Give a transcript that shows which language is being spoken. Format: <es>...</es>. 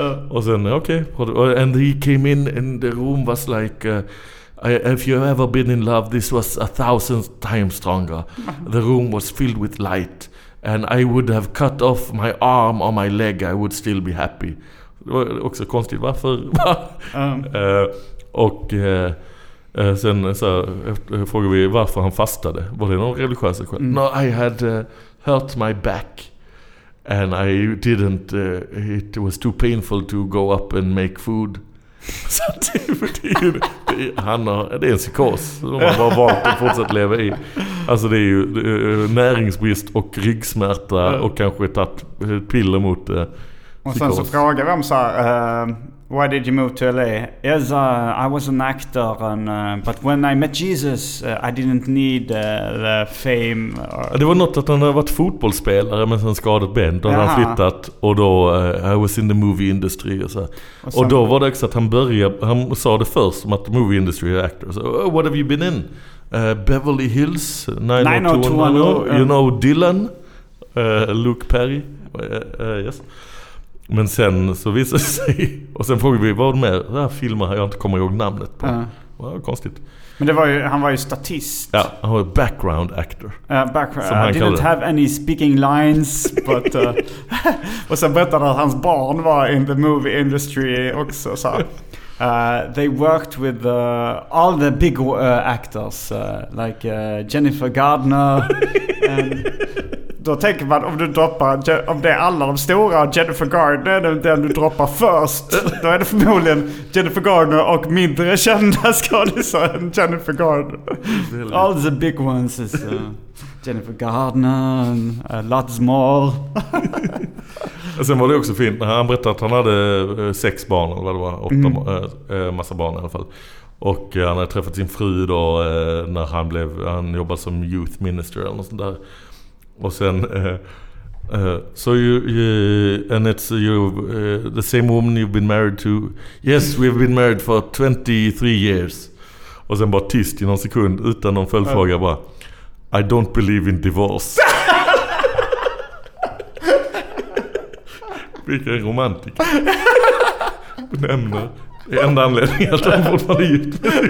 <sv>Och sen,</sv> <en>and he came in and the room was like, if you ever been in love, this was 1,000 times stronger. The room was filled with light. And I would have cut off my arm or my leg, I would still be happy.</en> <sv>Det var också konstigt, varför? sen så frågade vi varför han fastade. Var det någon religiös skäl?</sv> <en>No, I had... hurt my back. And I didn't, it was too painful to go up and make food.</en> <sv>Så det är en psykos som man bara valt att fortsätta leva i. Alltså det är ju näringsbrist och ryggsmärta och kanske tagit piller mot det. Och sen så frågar vi om så här,</sv> <en>why did you move to LA? Yes, I was an actor, and, but when I met Jesus, I didn't need the fame. Or...</en> <sv>Det var något att han hade varit fotbollsspelare men sen skadat ben. Då hade han flyttat och då,</sv> <en>I was in the movie industry.</en> <sv>Och, så. Och då var det också att han började, han sa det först om att movie industry är actor.</sv> <en>So, what have you been in? Beverly Hills, 90210. You know Dylan, Luke Perry, yes.</en> <sv>Men sen så visade det sig, och sen frågade vi, vad var med den här filmen jag inte kommer ihåg namnet på? Vad konstigt. Men det var ju, han var ju statist. Ja, han var background actor. Ja, background. Som han kallade.</sv> <en>I didn't have any speaking lines, but...</en> <sv>och sen berättade han att hans barn var</sv> <en>in the movie industry</en> <sv>också. Så.</sv> <en>They worked with all the big actors, like Jennifer Gardner and...</en> <sv>Då tänker man, om du droppar, om det är alla de stora, Jennifer Gardner är den du droppar först, då är det förmodligen Jennifer Gardner och mindre kända skådespelare än Jennifer Gardner.</sv> <en>Really? All the big ones is Jennifer Gardner, lots more.</en> <sv>Och sen var det också fint, han berättade att han hade sex barn, eller vad det var, åtta, massa barn i alla fall. Och han hade träffat sin fru då när han blev, han jobbade som youth minister eller något sånt där. Och sen</sv> <en>so you and it's you the same woman you've been married to. Yes, we've been married for 23 years.</en> <sv>Och sen bara tyst i någon sekund utan någon följdfråga, bara</sv> <en>I don't believe in divorce.</en> <sv>Vilken romantik. Benämner enda anledningen att han fortfarande är gift.</sv>